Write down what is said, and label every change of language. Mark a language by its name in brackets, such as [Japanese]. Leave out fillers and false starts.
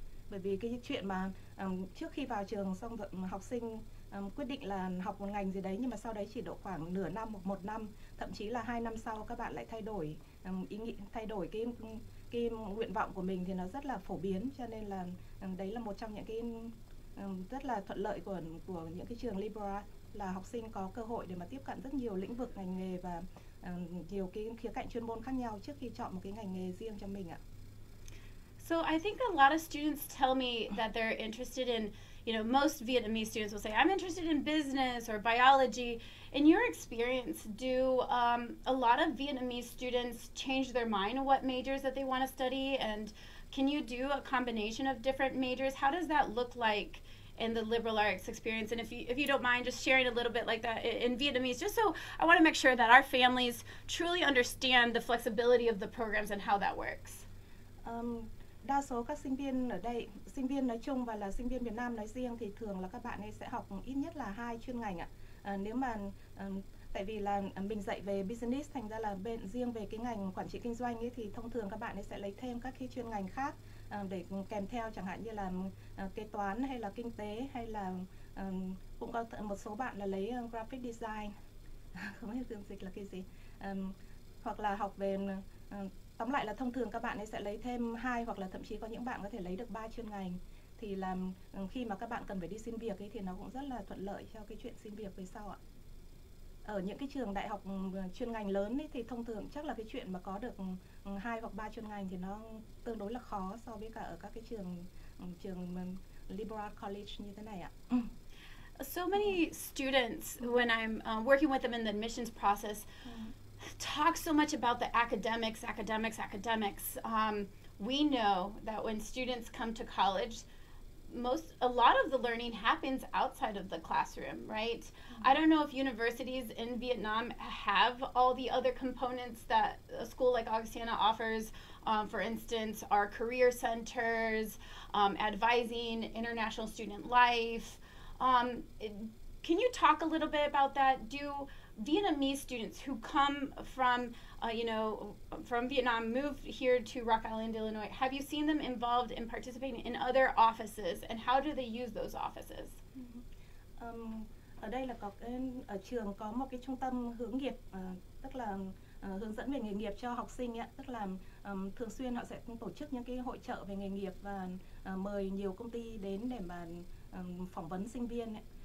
[Vietnamese] Bởi vì cái chuyện mà trước khi vào trường xong rồi học sinh quyết định là học một ngành gì đấy, nhưng mà sau đấy chỉ độ khoảng nửa năm, một năm, thậm chí là hai năm sau các bạn lại thay đổi ý nghĩ, thay đổi cái nguyện vọng của mình, thì nó rất là phổ biến, cho nên là đấy là một trong những cái rất là thuận lợi của những cái trường liberal, là học sinh có cơ hội để mà tiếp cận rất nhiều lĩnh vực ngành nghề và nhiều cái khía cạnh chuyên môn khác nhau trước khi chọn một cái ngành nghề riêng cho mình ạ. [English] So I think a lot of students tell me that they're interested in, you know, most Vietnamese students will say, I'm interested in business or biology. In your experience, do a lot of Vietnamese students change their mind what majors that they want to study? And can you do a combination of different majors? How does that look like in the liberal arts experience? And if you don't mind just sharing a little bit like that in Vietnamese, just so I want to make sure that our families truly understand the flexibility of the programs and how that works. [Vietnamese] Đa số các sinh viên ở đây, sinh viên nói chung và là sinh viên Việt Nam nói riêng, thì thường là các bạn ấy sẽ học ít nhất là hai chuyên ngành ạ. Nếu mà tại vì là mình dạy về business, thành ra là bên riêng về cái ngành quản trị kinh doanh ấy, thì thông thường các bạn ấy sẽ lấy thêm các cái chuyên ngành khác để kèm theo, chẳng hạn như là kế toán hay là kinh tế, hay là cũng có một số bạn là lấy graphic design không biết tiếng dịch là cái gì, hoặc là học về tóm lại là thông thường các bạn ấy sẽ lấy thêm hai, hoặc là thậm chí có những bạn có thể lấy được ba chuyên ngành. Thì là khi mà các bạn cần phải đi xin việc ấy, thì nó cũng rất là thuận lợi cho cái chuyện xin việc về sau ạ. Ở những cái trường đại học chuyên ngành lớn ấy, thì thông thường chắc là cái chuyện mà có được hai hoặc ba chuyên ngành thì nó tương đối là khó so với cả ở các cái trường liberal college như thế này ạ. [English] So many students, when I'm working with them in the admissions process, talk so much about the academics, academics, academics. We know that when students come to college, a lot of the learning happens outside of the classroom, right? Mm-hmm. I don't know if universities in Vietnam have all the other components that a school like Augustana offers. For instance, our career centers, advising, international student life. Can you talk a little bit about that? Do Vietnamese students who come from Vietnam, move here to Rock Island, Illinois, have you seen them involved in participating in other offices, and how do they use those offices? Mm-hmm. [Vietnamese] Ở đây là có cái, ở trường có một cái trung tâm hướng nghiệp, tức là hướng dẫn về nghề nghiệp cho học sinh ấy, tức là thường xuyên họ sẽ tổ chức những cái hội chợ về nghề nghiệp và mời nhiều công ty đến để mà phỏng vấn sinh viên ấy.